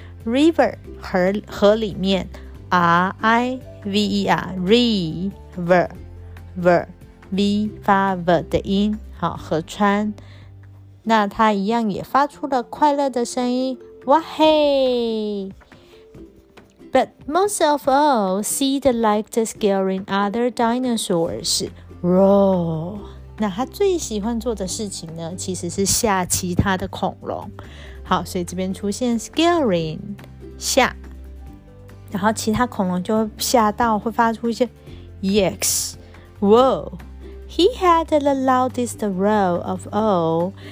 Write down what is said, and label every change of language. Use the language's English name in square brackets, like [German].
[Chinese] River 河里面 ，R-I-V-E-R river ver v 发 v 的音。好，河川，那他一样也发出了快乐的声音，哇嘿。 [English] But most of all, Sid liked scaring other dinosaurs. Roar! [Chinese] 那他最喜欢做的事情呢，其实是吓其他的恐龙。好，所以这边出现 scaring, 吓。然后其他恐龙就会吓到，会发出一些 [English] yikes, whoa! He had the loudest roar of all.